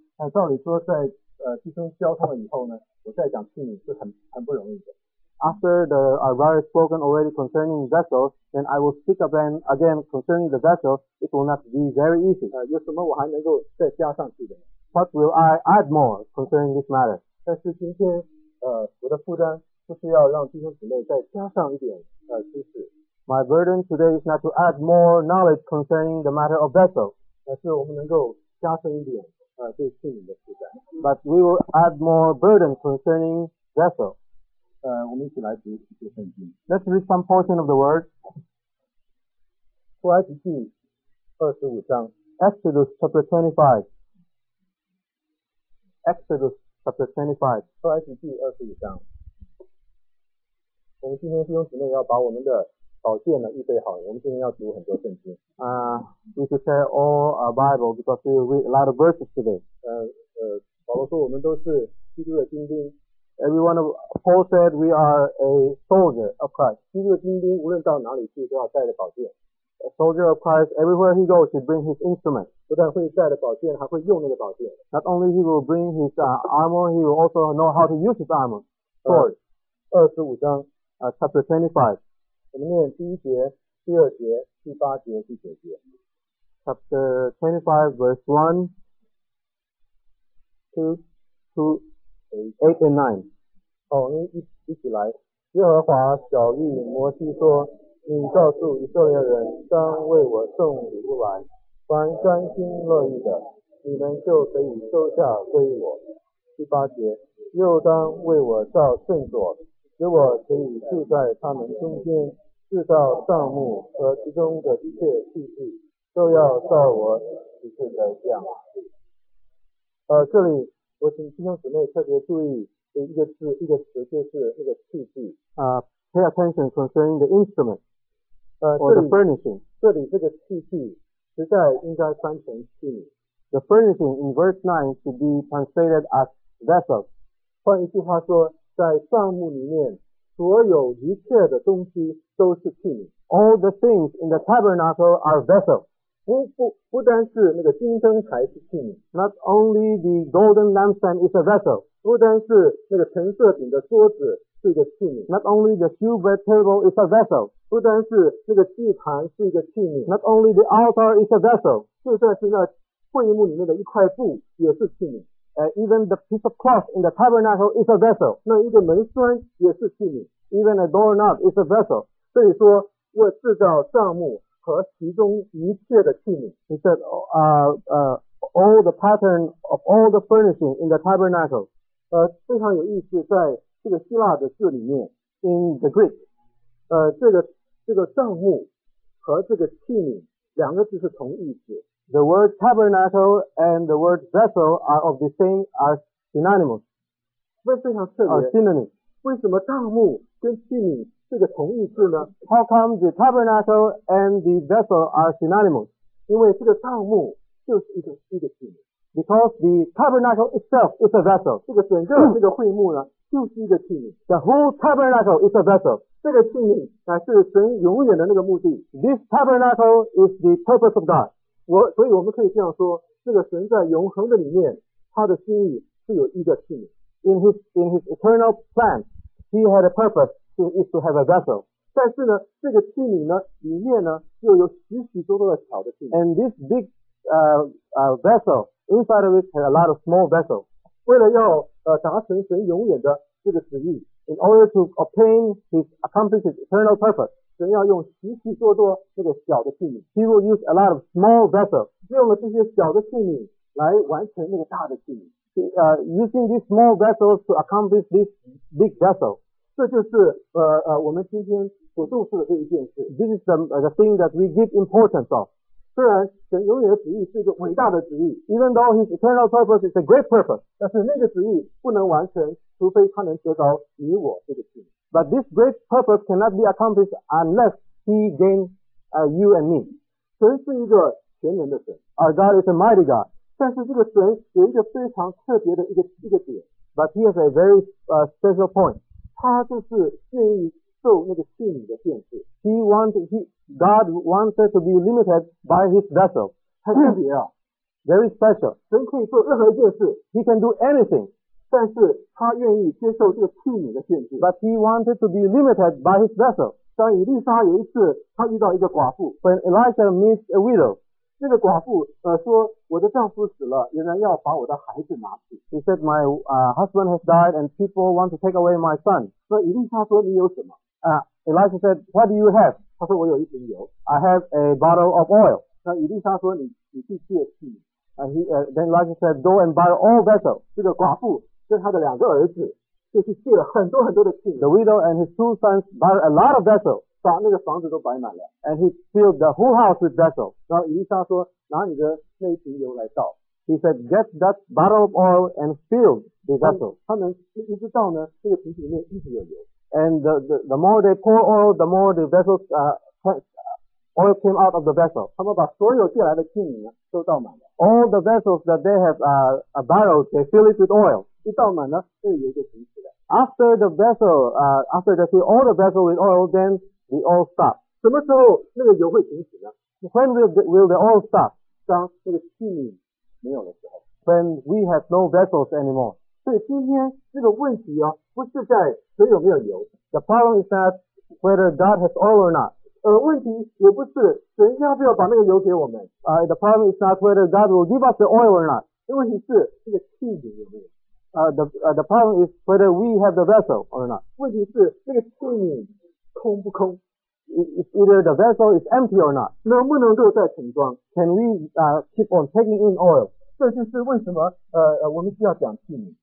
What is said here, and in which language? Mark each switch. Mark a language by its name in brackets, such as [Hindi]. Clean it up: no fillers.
[Chinese] 那照理说在弟兄交通了以后呢，我再讲器皿是很不容易的。 [English] After the brother spoken already concerning vessel, then I will speak again concerning the vessel. It will not be very easy. [Chinese] 有什么我还能够再加上去的 [English] ？What will I add more concerning this matter? [Chinese] 但是今天我的负担。不是要让弟兄姊妹再加上一点知识。 [English] My burden today is not to add more knowledge concerning the matter of vessel. [Chinese] 而是我们能够加深一点对器皿的负担。 [English] But we will add more burden concerning vessel. [Chinese] 我们一起来读一些圣经。 [English] Let's read some portion of the word. [Chinese] 出埃及记25章。 [English] Exodus chapter 25. Exodus chapter 25. [Chinese] 出埃及记25章。我们今天弟兄姊妹要把我们的宝剑呢预备好，我们今天要读很多圣经。 [English] We should share all our Bible because we read a lot of verses today. [Chinese] 保罗说我们都是基督的精兵。 [English] Everyone of Paul said we are a soldier of Christ. [Chinese] 基督的精兵无论到哪里去都要带着宝剑。 [English] A soldier of Christ, everywhere he goes, should bring his instrument. [Chinese] 不但会带着宝剑，还会用那个宝剑。 [English] Not only he will bring his armor, he will also know how to use his armor. Sword. [Chinese] 25章。 [English] Chapter 25, [Chinese] 我们念第一节、第二节、第八节、第九节。 [English] Chapter 25, verse 1, 2, 2, 8 and 9. [Chinese] 好，我们一起来。耶和华晓谕摩西说：“你告诉以色列人，当为我送礼物来，凡甘心乐意的，你们就可以收下归我。” 第八节，又当为我造圣所。使我可以住在他们中间，制造帐幕和其中的一切器具，都要照我指示的样式。这里我请弟兄姊妹特别注意的一个字、一个词，就是那个器具。 [English] Pay attention concerning the instrument. Or the furnishing. [Chinese] 这里这个器具实在应该翻成器皿。 [English] The furnishing in verse 9 should be translated as vessel. [Chinese] 换一句话说。在帐幕里面，所有一切的东西都是器皿。 [English] All the things in the tabernacle are vessels. [Chinese] 不单是那个金灯台是器皿。 [English] Not only the golden lampstand is a vessel. [Chinese] 不单是那个陈设饼的桌子是一个器皿。 [English] Not only the silver table is a vessel. [Chinese] 不单是那个祭坛是一个器皿。 [English] Not only the altar is a vessel. [Chinese] 就算是那会幕里面的一块布也是器皿。 [English] Even the piece of cloth in the tabernacle is a vessel. [Chinese] 那一个门栓也是器皿。 [English] Even a doorknob is a vessel. [Chinese] 所以说为制造帐幕和其中一切的器皿。 [English] He said, all the pattern of all the furnishing in the tabernacle. [Chinese] 非常有意思，在这个希腊的字里面 [English] ，in the Greek， [Chinese] 这个帐幕和这个器皿两个字是同意思。 [English] The word tabernacle and the word vessel are of the same are synonymous. [Chinese] 非常特别。 [English] Synonym. [Chinese] 为什么帐幕跟器皿是个同义字呢 [English] ？How come the tabernacle and the vessel are synonymous？ [Chinese] 因为这个帐幕就是一个器皿。 [English] Because the tabernacle itself is a vessel。 [Chinese] 这个整个这个会幕呢，就是一个器皿。 [English] The whole tabernacle is a vessel。 [Chinese] 这个器皿乃是神永远的那个目的。 [English] This tabernacle is the purpose of God。 [Chinese] 所以我们可以这样说，这个神在永恒的里面，他的心意是有一个器皿。 [English] In his eternal plan, he had a purpose to is to have a vessel. [Chinese] 但是呢，这个器皿呢，里面呢，又有许许多多的小的器皿。 [English] And this big vessel inside of it has a lot of small vessels. [Chinese] 为了要达成神永远的这个旨意 [English] ，in order to obtain his accomplish his eternal purpose, [Chinese] 神要用许许多多这个小的器皿。 [English] He will use a lot of small vessels. [Chinese] 用了这些小的器皿来完成那个大的器皿。 [English] Using these small vessels to accomplish this big vessel. [Chinese] 这就是我们今天所重视的这一件事。 [English] This is the thing that we give importance of. [Chinese] 虽然神永远的旨意是一个伟大的旨意。 [English] Even though his eternal purpose is a great purpose. [Chinese] 但是那个旨意不能完成，除非他能得着你我这个心。 [English] But this great purpose cannot be accomplished unless he gains you and me. [Chinese] 神是一个全能的神。 [English] Our God is a mighty God. [Chinese] 但是这个神有一个非常特别的一个点 [English] ，But he has a very special point. [Chinese] 他就是愿意受那个器皿的限制。 [English] God wanted to be limited by his vessel. [Chinese] 太特别啊 [English] ，very special. [Chinese] 神可以做任何一件事 [English] ，he can do anything. [Chinese] 但是他愿意接受这个器皿的限制。 [English] But he wanted to be limited by his vessel. [Chinese] 当以利沙有一次他遇到一个寡妇 [English] ，When Elijah meets a widow. [Chinese] 这个寡妇说我的丈夫死了仍然要把我的孩子拿去。 [English] He said my husband has died and people want to take away my son. [Chinese] 那以利沙说你有什么 [English] Elijah said, what do you have? [Chinese] 他说我有一瓶油。 [English] I have a bottle of oil. [Chinese] 那以利沙说你去借器皿。 [English] Then Elijah said, go and buy all vessels. [Chinese] 这个寡妇跟他的两个儿子就去借了很多很多的器皿。 [English] The widow and his two sons bought a lot of vessels. [Chinese] 把那个房子都摆满了 [English] ，and he filled the whole house with vessels. [Chinese] 然后以利沙说，拿你的那一瓶油来倒。 [English] He said, get that bottle of oil and fill the vessel. [Chinese] 他们一直倒呢，这个瓶子里面一直有油。 [English] And the more they pour oil, the more the vessels oil came out of the vessel. [Chinese] 他们把所有借来的器皿都倒满了。 [English] All the vessels that they have a barrel, they fill it with oil. [Chinese] 一倒满呢，这个油就停止了。 [English] After the vessel, after they fill all the vessel with oil, then We all stop. [Chinese] 什么时候那个油会停止呢 [English] ？When will the oil stop? [Chinese] 当那个器皿没有的时候。 [English] When we have no vessels anymore. [Chinese] 所以今天这个问题啊，不是在水有没有油。 [English] The problem is not whether God has oil or not. [Chinese] 问题也不是神要不要把那个油给我们。 [English] The problem is not whether God will give us the oil or not. [Chinese] 问题是这个器皿有没有。 [English] The problem is whether we have the vessel or not. [Chinese] 问题是那个器皿。空不空 [English] ？It's either the vessel is empty or not. [Chinese] 能不能够再盛装 [English] ？Can we keep on taking in oil? [Chinese] 这就是为什么我们需要讲器皿。